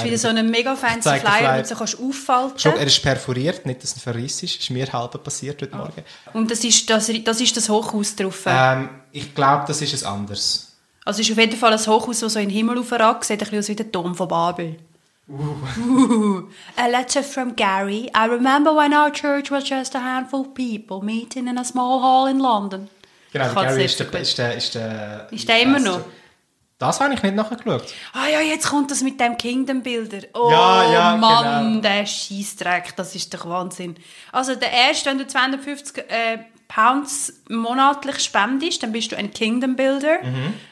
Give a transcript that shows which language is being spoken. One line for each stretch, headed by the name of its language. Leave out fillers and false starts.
German: Ich finde so einen mega fancy Flyer, damit du kannst auffalten. Schau, er ist perforiert, nicht, dass er verriss ist. Ist mir halb passiert heute Morgen. Und das ist das Hochhaus drauf? Ich glaube, das ist ein anderes. Also ist auf jeden Fall ein Hochhaus, das so in den Himmel aufragt. Sieht ein bisschen aus wie der Turm von Babel.
English: A letter from Gary. I remember when our church was just a handful of people meeting in a small hall in London.
German: Genau, Gary ist der... Ist der immer noch? Das habe ich nicht nachgeschaut. Ah ja, jetzt kommt das mit dem Kingdom-Bilder. Oh ja, ja, Mann, genau. Der Scheissdreck, das ist doch Wahnsinn. Also der erste, wenn du 250 Pounds monatlich spendest, dann bist du ein Kingdom-Builder. Mhm.